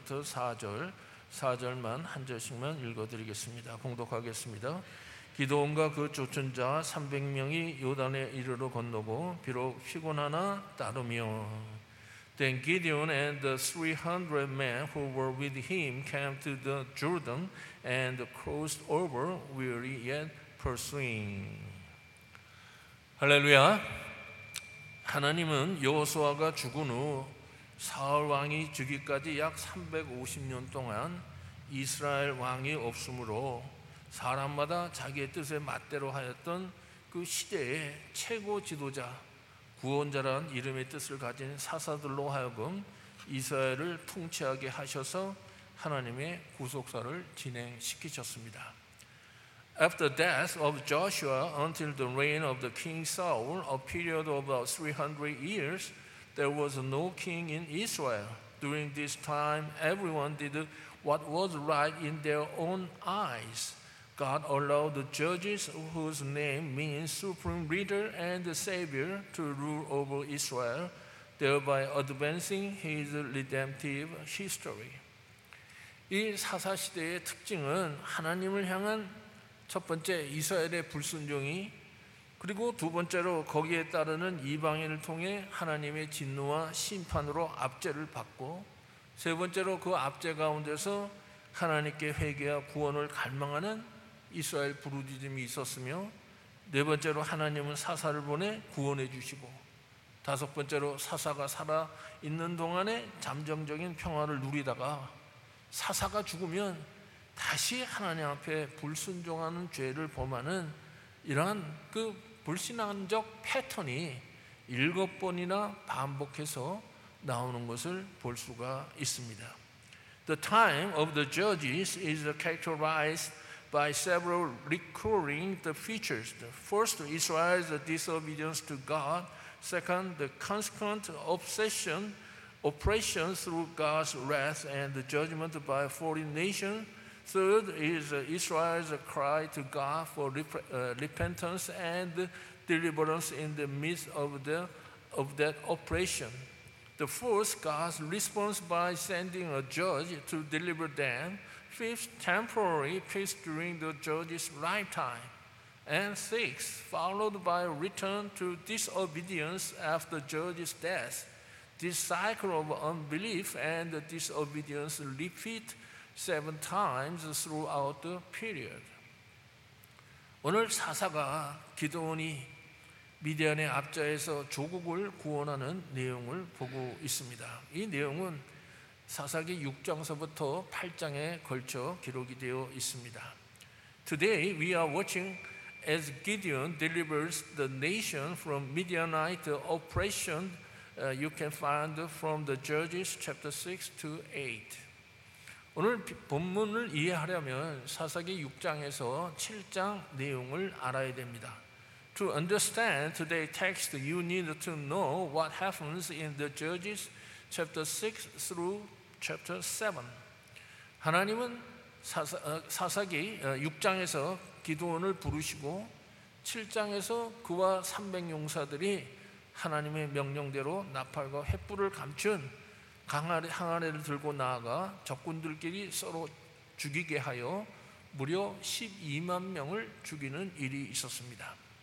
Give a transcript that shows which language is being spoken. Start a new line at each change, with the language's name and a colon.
Korean: 1장부터 4절, 4절만 한 절씩만 읽어드리겠습니다. 봉독하겠습니다. 기드온과 그 쫓은 자 300명이 요단에 이르러 건너고 비록 피곤하나 따르며.
English: Then Gideon and the 300 men who were with him came to the Jordan and crossed over weary yet pursuing.
Korean: 할렐루야. 하나님은 여호수아가 죽은 후 사울 왕이 죽기까지 약 350년 동안 이스라엘 왕이 없으므로 사람마다 자기의 뜻에 맞대로 하였던 그 시대의 최고 지도자, 구원자라는 이름의 뜻을 가진 사사들로 하여금 이스라엘을 통치하게 하셔서 하나님의 구속사를 진행시키셨습니다.
English: After the death of Joshua until the reign of the king Saul, a period of about 300 years, there was no king in Israel. During this time, everyone did what was right in their own eyes. God allowed the judges whose name means supreme leader and savior to rule over Israel, thereby advancing his redemptive history.
Korean: 이 사사 시대의 특징은 하나님을 향한 첫 번째 이스라엘의 불순종이, 그리고 두 번째로 거기에 따르는 이방인을 통해 하나님의 진노와 심판으로 압제를 받고, 세 번째로 그 압제 가운데서 하나님께 회개와 구원을 갈망하는 이스라엘 부르짖음이 있었으며, 네 번째로 하나님은 사사를 보내 구원해 주시고, 다섯 번째로 사사가 살아 있는 동안에 잠정적인 평화를 누리다가 사사가 죽으면 다시 하나님 앞에 불순종하는 죄를 범하는 이러한 그 불신앙적 패턴이 일곱 번이나 반복해서 나오는 것을 볼 수가 있습니다.
English: The time of the judges is characterized by several recurring features. First, Israel's disobedience to God. Second, the consequent oppression through God's wrath and judgment by foreign nations. Third is Israel's cry to God for repentance and deliverance in the midst of that oppression. The fourth, God's response by sending a judge to deliver them. Fifth, temporary peace during the judge's lifetime. And sixth, followed by return to disobedience after judge's death. This cycle of unbelief and disobedience repeat seven times throughout the period.
Korean: 오늘 사사가 기드온이 미디안의 압제에서 조국을 구원하는 내용을 보고 있습니다. 이 내용은 사사기 6장서부터 8장에 걸쳐 기록이 되어 있습니다.
English: Today we are watching as Gideon delivers the nation from Midianite oppression. You can find from the Judges chapter 6 to 8.
Korean: 오늘 본문을 이해하려면 사사기 6장에서 7장 내용을 알아야 됩니다.
English: To understand today's text, you need to know what happens in the Judges chapter 6 through chapter 7.
Korean: 하나님은 사사기 6장에서 기드온을 부르시고 7장에서 그와 300 용사들이 하나님의 명령대로 나팔과 횃불을 감춘 항아리를 들고 나아가 적군들끼리 서로 죽이게 하여 무려 12만 명을 죽이는 일이 있었습니다.